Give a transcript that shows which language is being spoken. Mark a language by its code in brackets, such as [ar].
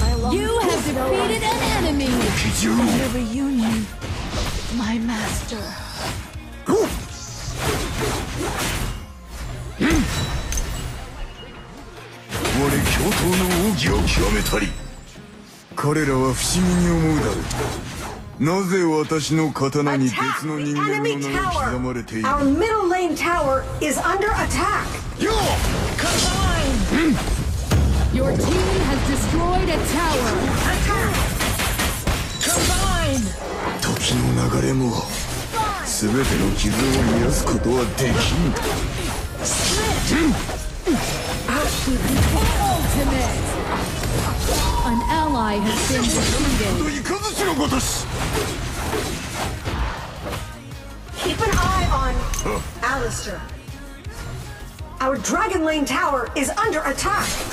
[en] You have defeated an enemy! The reunion, my master. [ja] Wale 共闘の奥義を極めたり。彼らは不思議に思うだろう。なぜ私の刀に別の人間の名が刻まれている。 [en] Our middle lane tower is under attack. You combine. Your team has destroyed a tower. Attack. Combine. [ja] 時の流れも全ての傷を癒すことはできん。 [en] An ally has been defeated. Keep an eye on Alistair. Our Dragon Lane Tower is under attack.